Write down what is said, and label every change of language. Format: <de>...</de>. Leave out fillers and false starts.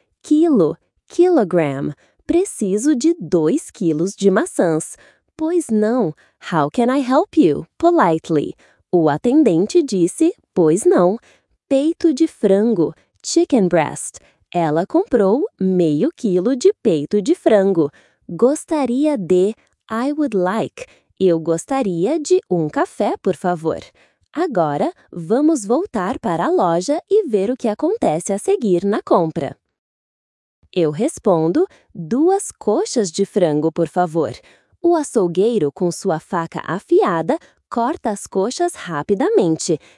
<pt>Quilo, kilogram. Preciso de 2 quilos de maçãs. Pois não.</pt> <en>How can I help you? Politely.</en> <pt>O atendente disse, pois não. Peito de frango,</pt> <en>chicken breast.</en> <pt>Ela comprou 1/2 quilo de peito de frango. Gostaria de,</pt> <en>I would like.</en> <pt>Eu gostaria de um café, por favor. Agora, vamos voltar para a loja e ver o que acontece a seguir na compra. Eu respondo, 2 coxas de frango, por favor. O açougueiro, com sua faca afiada, corta as coxas rapidamente.</pt>